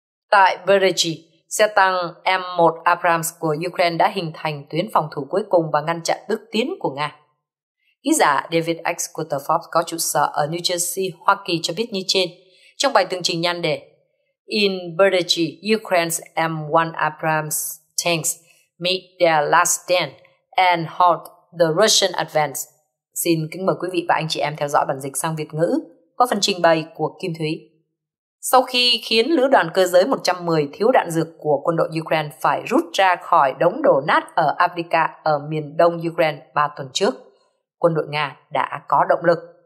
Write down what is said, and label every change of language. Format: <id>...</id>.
<vi>Tại Berdychi, xe tăng M1 Abrams của Ukraine đã hình thành tuyến phòng thủ cuối cùng và ngăn chặn bước tiến của Nga. Ký giả David X của tờ Forbes có trụ sở ở New Jersey, Hoa Kỳ cho biết như trên trong bài tường trình nhan đề</vi> <en>In Berdychi, Ukraine's M1 Abrams tanks made their last stand and halt the Russian advance.</en> <vi>Xin kính mời quý vị và anh chị em theo dõi bản dịch sang Việt ngữ qua phần trình bày của Kim Thúy. Sau khi khiến lữ đoàn cơ giới 110 thiếu đạn dược của quân đội Ukraine phải rút ra khỏi đống đổ nát ở Avdiivka ở miền đông Ukraine 3 tuần trước, quân đội Nga đã có động lực.</vi>